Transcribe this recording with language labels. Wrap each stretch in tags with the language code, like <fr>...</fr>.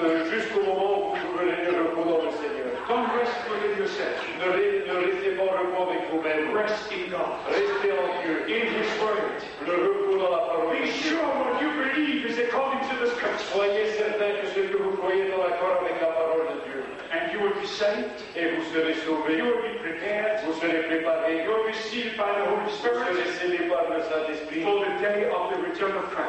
<fr>Jusqu'au moment où vous trouverez le repos dans le Seigneur.</fr> <en>Don't rest within yourself.</en> <fr>Ne restez pas en repos avec vous-même.</fr> <en>Rest in God.</en> <fr>Restez en Dieu.</fr> <en>In His Word.</en> <fr>Le repos dans la parole.</fr> <en>Be sure what you believe is according to the scripture.</en> <fr>Soyez certain que ce que vous croyez est en accord avec la parole de Dieu.</fr> <en>And you will be saved.</en> <fr>Et vous serez sauvés.</fr> <en>You will be prepared.</en> <fr>Vous serez préparés.</fr> <en>You will be sealed by the Holy Spirit.</en> <fr>Vous serez scellés par le Saint-Esprit.</fr> <en>For the day of the return of Christ.</en>